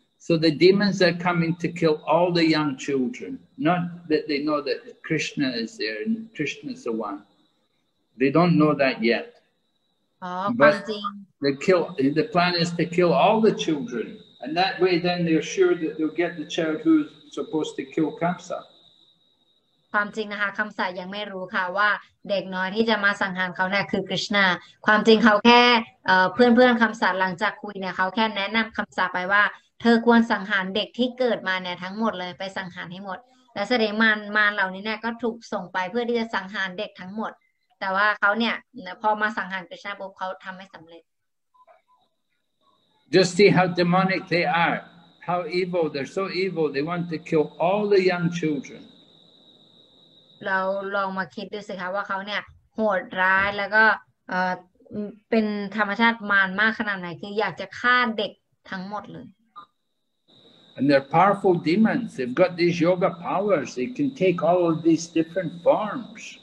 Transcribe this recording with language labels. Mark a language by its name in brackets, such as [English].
[English] So the demons are coming to kill all the young children, not that they know that Krishna is there and Krishna is the one. They don't know that yet. But the plan is to kill all the children, and that way then they're sure that they'll get the child who's supposed to kill Kamsa. [Thai] ความจริงนะคะคำสายังไม่รู้ค่ะว่าเด็กน้อยที่จะมาสังหารเขาเนี่ยคือกฤษณาความจริงเขาแค่เพื่อนๆคำสายหลังจากคุยเนี่ยเขาแค่แนะนำคำสายไปว่าเธอควรสังหารเด็กที่เกิดมาเนี่ยทั้งหมดเลยไปสังหารให้หมดและเสด็จมารเหล่านี้เนี่ยก็ถูกส่งไปเพื่อที่จะสังหารเด็กทั้งหมดแต่ว่าเขาเนี่ยพอมาสังหารกฤษณาปุ๊บเขาทำไม่สำเร็จ [English] Just see how demonic they are, how evil. They're so evil. They want to kill all the young children. [Thai] เราลองมาคิดดูสิคะว่าเขาเนี่ยโหดร้ายแล้วก็เป็นธรรมชาติมารมากขนาดไหนคืออยากจะฆ่าเด็กทั้งหมดเลย [English] And they're powerful demons. They've got these yoga powers. They can take all of these different forms.